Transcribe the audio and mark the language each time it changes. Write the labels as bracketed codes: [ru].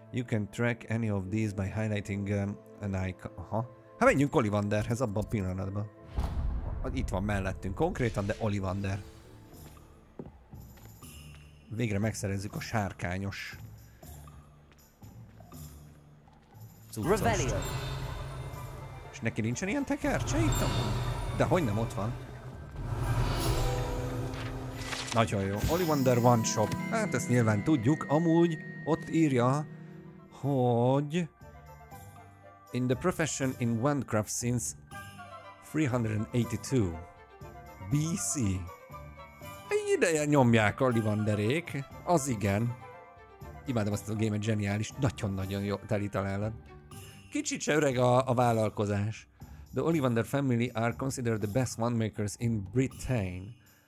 [en] You can track any of these by highlighting an icon. Aha. [hu] Hát menjünk Ollivanderhez abban a pillanatban. Itt van mellettünk konkrétan, de Ollivander. Végre megszerezzük a sárkányos cuccost. És neki nincsen ilyen tekercse itt? De hogy nem, ott van. Nagyon jó. Ollivander One Shop. Hát ezt nyilván tudjuk. Amúgy ott írja, hogy... [en] In the profession in Wandcraft since 382 BC. [hu] Egy ideje nyomják Ollivanderék. Az igen. Imádom azt a gémet, zseniális. Nagyon-nagyon jó teli találat. Kicsit se öreg a vállalkozás. [en] The Ollivander family are considered the best wand makers in Britain.